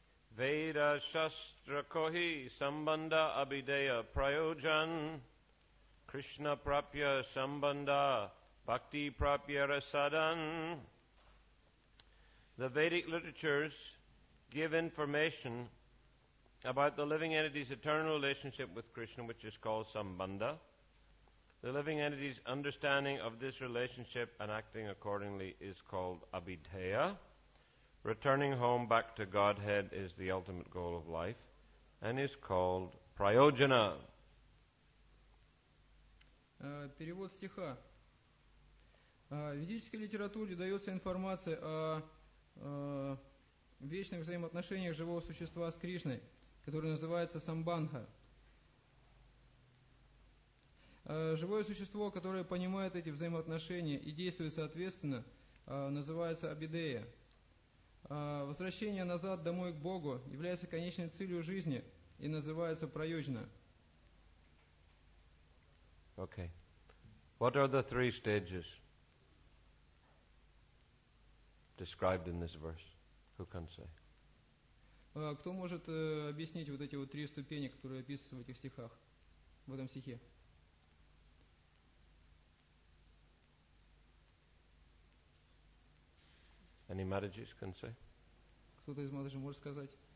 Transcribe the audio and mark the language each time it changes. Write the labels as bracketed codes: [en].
[sa] Веда Шастра Кохи Самбанда Абидея Прайоджан Кришна Прапья Самбанда Бхакти Прапья Расадан. [en] The Vedic literatures give information about the living entity's eternal relationship with Krishna, which is called Sambandha. The living entity's understanding of this relationship and acting accordingly is called Abhidheya. Returning home back to Godhead is the ultimate goal of life and is called Prayojana. [ru] Перевод стиха. В ведической литературе дается информация о вечных взаимоотношениях живого существа с Кришной, который называется самбандха. Живое существо, которое понимает эти взаимоотношения и действует соответственно, называется абидея. Возвращение назад домой к Богу является конечной целью жизни и называется прайоджана. [en] Okay. What are the three stages described in this verse? Who can say? [ru] Кто может объяснить вот эти вот три ступени, которые описываются в этих стихах, в этом стихе? [en] Any Madhijis can say? [ru] Кто-то из Madhijis может сказать?